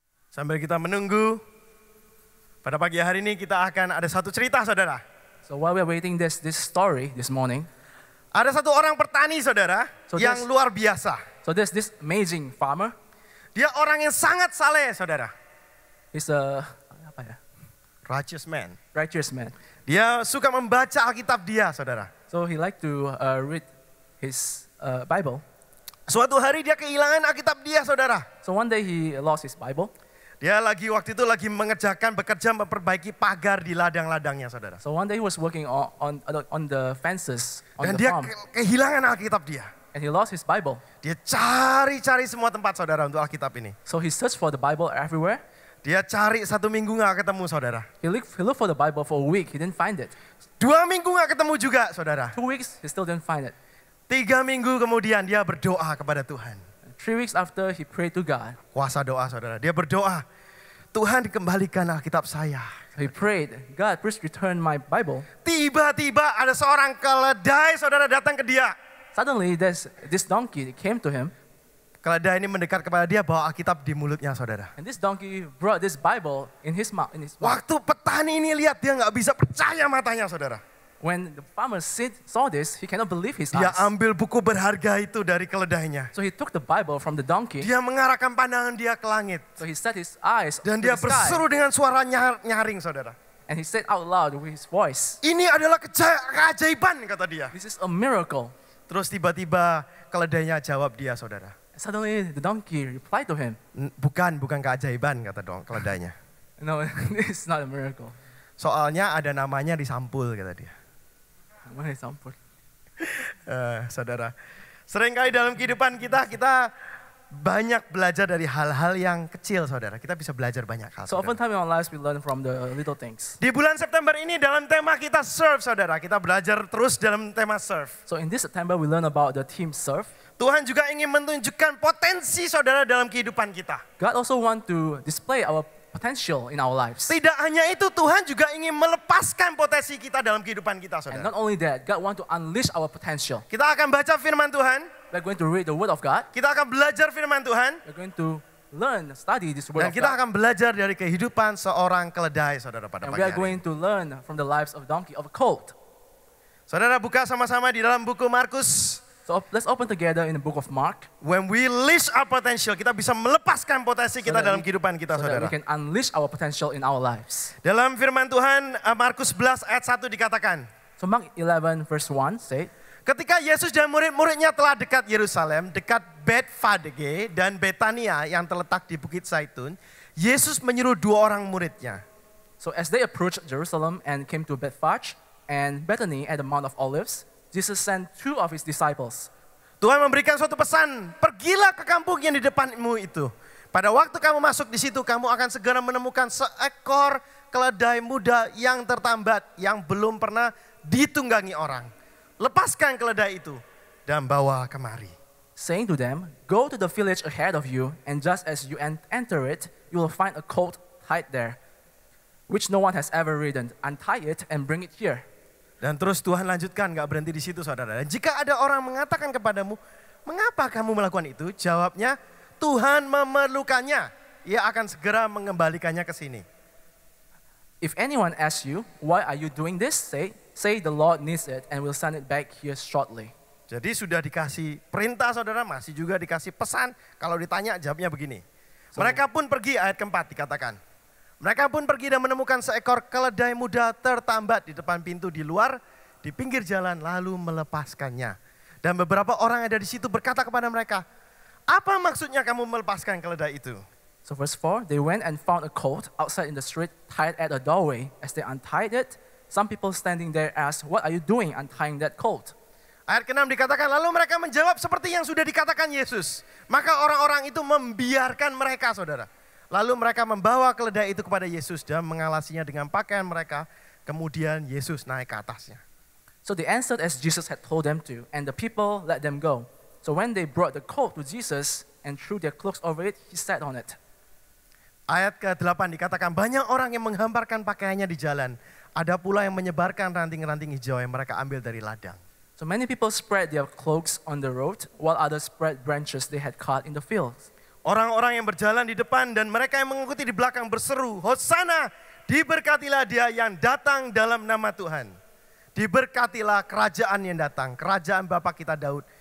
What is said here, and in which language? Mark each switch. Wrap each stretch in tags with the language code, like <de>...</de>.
<id>Sambil kita menunggu, pada pagi hari ini kita akan ada satu cerita, saudara.</id> <en>So while we are waiting this story this morning,</en> <id>ada satu orang petani, saudara, so yang luar biasa.</id> <en>So there's this amazing farmer.</en> <id>Dia orang yang sangat saleh, saudara.</id> <en>He's a</en> <id>apa ya?</id> <en>Righteous man. Righteous man.</en> <id>Dia suka membaca Alkitab dia, saudara.</id> <en>So he like to read his Bible.</en> <id>Suatu hari dia kehilangan Alkitab dia, saudara.</id> <en>So one day he lost his Bible.</en> <id>Dia lagi waktu itu lagi bekerja memperbaiki pagar di ladang-ladangnya, saudara.</id> <en>So one day he was working on the fences on the farm.</en> <id>Dan dia kehilangan Alkitab dia.</id> <en>And he lost his Bible.</en> <id>Dia cari-cari semua tempat, saudara, untuk Alkitab ini.</id> <en>So he searched for the Bible everywhere.</en> <id>Dia cari satu minggu nggak ketemu, saudara.</id> <en>He looked for the Bible for a week. He didn't find it.</en> <id>Dua minggu nggak ketemu juga, saudara.</id> <en>2 weeks he still didn't find it.</en> <id>Tiga minggu kemudian dia berdoa kepada Tuhan.</id> <en>3 weeks after he prayed to God.</en> <id>Kuasa doa, saudara. Dia berdoa, Tuhan kembalikan Alkitab saya.</id> <en>He prayed, God please return my Bible.</en> <id>Tiba-tiba ada seorang keledai, saudara, datang ke dia.</id> <en>Suddenly this donkey came to him.</en> <id>Keledai ini mendekat kepada dia, bawa Alkitab di mulutnya, saudara.</id> <en>And this donkey brought this Bible in his mouth.</en> <id>Waktu petani ini lihat, dia gak bisa percaya matanya, saudara.</id> <en>When the farmer saw this, he cannot believe his eyes.</en> <id>Dia ambil buku berharga itu dari keledainya.</id> <en>So he took the Bible from the donkey.</en> <id>Dia mengarahkan pandangan dia ke langit.</id> <en>So he set his eyes</en> <id>dan dia berseru dengan suara nyaring, saudara.</id> <en>And he said out loud with his voice.</en> <id>Ini adalah keajaiban, kata dia.</id> <en>This is a miracle.</en> <id>Terus tiba-tiba keledainya jawab dia, saudara.</id> <en>Suddenly the donkey replied to him.</en> <id>Bukan keajaiban, kata keledainya.</id> <en>No, it's not a miracle.</en> <id>Soalnya ada namanya di sampul, kata dia. Mana sampul? Saudara, seringkali dalam kehidupan kita banyak belajar dari hal-hal yang kecil, saudara. Kita bisa belajar banyak hal.</id> <en>So often time in our lives we learn from the little things.</en> <id>Di bulan September ini dalam tema kita serve, saudara. Kita belajar terus dalam tema serve.</id> <en>So in this September we learn about the theme serve.</en> <id>Tuhan juga ingin menunjukkan potensi, saudara, dalam kehidupan kita.</id> <en>God also want to display our potential in our lives.</en> <id>Tidak hanya itu, Tuhan juga ingin melepaskan potensi kita dalam kehidupan kita, saudara.</id> <en>And not only that, God want to unleash our potential.</en> <id>Kita akan baca firman Tuhan.</id> <en>We're going to read the word of God.</en> <id>Kita akan belajar firman Tuhan.</id> <en>We're going to learn, study this word of God.</en> <id>Dan kita akan belajar dari kehidupan seorang keledai, saudara, pada pagi hari.</id> <en>And we are going to learn from the lives of donkey, of a colt.</en> <id>Saudara, buka sama-sama di dalam buku Markus.</id> <en>So let's open together in the book of Mark. When we unleash our potential,</en> <id>kita bisa melepaskan potensi</id> <en>so</en> <id>kita dalam kehidupan kita,</id> <en>so</en> <id>saudara.</id> <en>We can unleash our potential in our lives.</en> <id>Dalam firman Tuhan, Markus 11 ayat 1 dikatakan.</id> <en>So Mark 11 verse 1 say.</en> <id>Ketika Yesus dan murid-muridnya telah dekat Yerusalem, dekat Betfage dan Betania yang terletak di Bukit Zaitun, Yesus menyuruh dua orang muridnya.</id> <en>So as they approached Jerusalem and came to Betfage and Bethany at the Mount of Olives, Jesus sent two of his disciples.</en> <id>Tuhan memberikan suatu pesan, pergilah ke kampung yang di depanmu itu. Pada waktu kamu masuk di situ, kamu akan segera menemukan seekor keledai muda yang tertambat, yang belum pernah ditunggangi orang. Lepaskan keledai itu dan bawa kemari.</id> <en>Saying to them, go to the village ahead of you, and just as you enter it, you will find a colt tied there, which no one has ever ridden. Untie it and bring it here.</en> <id>Dan terus Tuhan lanjutkan, gak berhenti di situ, saudara. Dan jika ada orang mengatakan kepadamu, mengapa kamu melakukan itu? Jawabnya, Tuhan memerlukannya. Ia akan segera mengembalikannya ke sini.</id> <en>If anyone asks you, why are you doing this? Say the Lord needs it and will send it back here shortly.</en> <id>Jadi sudah dikasih perintah, saudara, masih juga dikasih pesan. Kalau ditanya, jawabnya begini. So, mereka pun pergi, ayat keempat dikatakan. Mereka pun pergi dan menemukan seekor keledai muda tertambat di depan pintu di luar, di pinggir jalan, lalu melepaskannya. Dan beberapa orang ada di situ berkata kepada mereka, apa maksudnya kamu melepaskan keledai itu?</id> <en>So verse 4, they went and found a colt outside in the street tied at a doorway. As they untied it, some people standing there asked, what are you doing untying that colt?</en> <id>Ayat ke-6 dikatakan, lalu mereka menjawab seperti yang sudah dikatakan Yesus. Maka orang-orang itu membiarkan mereka, saudara. Lalu mereka membawa keledai itu kepada Yesus dan mengalasinya dengan pakaian mereka. Kemudian Yesus naik ke atasnya.</id> <en>So they answered as Jesus had told them to, and the people let them go. So when they brought the colt to Jesus and threw their cloaks over it, he sat on it.</en> <id>Ayat ke-8 dikatakan, banyak orang yang menghamparkan pakaiannya di jalan. Ada pula yang menyebarkan ranting-ranting hijau yang mereka ambil dari ladang.</id> <en>So many people spread their cloaks on the road, while others spread branches they had cut in the fields.</en> <id>Orang-orang yang berjalan di depan dan mereka yang mengikuti di belakang berseru, Hosana, diberkatilah dia yang datang dalam nama Tuhan. Diberkatilah kerajaan yang datang, kerajaan Bapa kita Daud.</id>